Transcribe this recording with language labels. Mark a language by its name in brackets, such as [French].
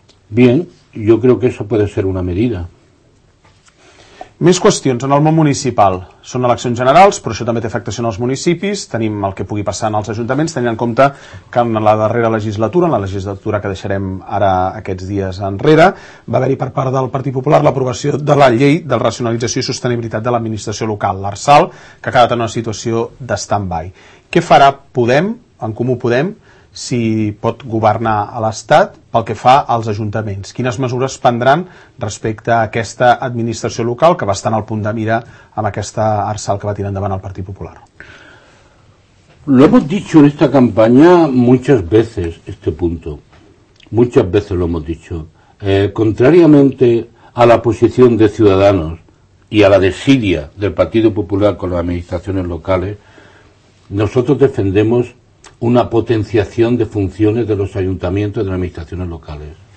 [Spanish] Bien, yo creo que eso puede ser una medida. [Catalan] Més qüestions en el món municipal. Són eleccions generals, però això també té afectació en els municipis. Tenim el que pugui passar en els ajuntaments, tenint en compte que en la darrera legislatura, en la legislatura que deixarem ara aquests dies enrere, va haver-hi per part del Partit Popular l'aprovació de la llei de racionalització i sostenibilitat de l'administració local, l'Arsal, que ha quedat en una situació de stand-by. Què farà Podem, en Comú Podem, si pot governar a l'Estat pel que fa als ajuntaments? Quines mesures prendran respecte a aquesta administració local que va estar en el punt de mira amb aquesta Arsal que va tirar endavant el Partit Popular? [Spanish] Lo hemos dicho en esta campaña muchas veces, este punto. Muchas veces lo hemos dicho. Contrariamente a la posición de Ciudadanos y a la desidia del Partido Popular con las administraciones locales, nosotros defendemos una potenciación de funciones de los ayuntamientos y de las administraciones locales.